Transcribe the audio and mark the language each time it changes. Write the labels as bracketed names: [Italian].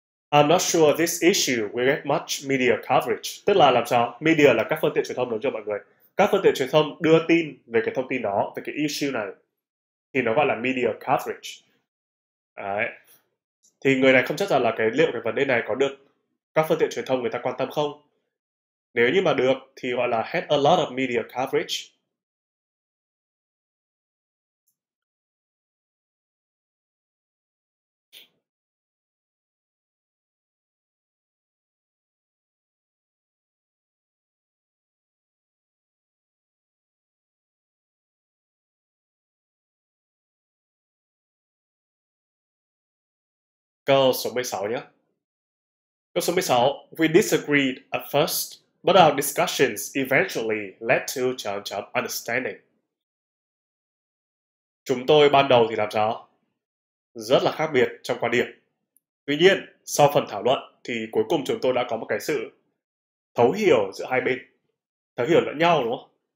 [English] I'm not sure this issue will get much media coverage. [Vietnamese] Tức là làm sao? Media là các phương tiện truyền thông đúng cho mọi người. Các phương tiện truyền thông đưa tin về cái thông tin đó, về cái issue này. Thì nó gọi là media coverage. Đấy. Thì người này không chắc là cái liệu cái vấn đề này có được các phương tiện truyền thông người ta quan tâm không? Nếu như mà được thì gọi là [English] had a lot of media coverage. [Vietnamese] Câu số 16 nhé. Câu số 16. [English] We disagreed at first, but our discussions eventually led to [Vietnamese] chấm chấm [English] understanding. [Vietnamese] Chúng tôi ban đầu thì làm sao? Rất là khác biệt trong quan điểm. Tuy nhiên, sau phần thảo luận thì cuối cùng chúng tôi đã có một cái sự thấu hiểu giữa hai bên. Thấu hiểu lẫn nhau đúng không?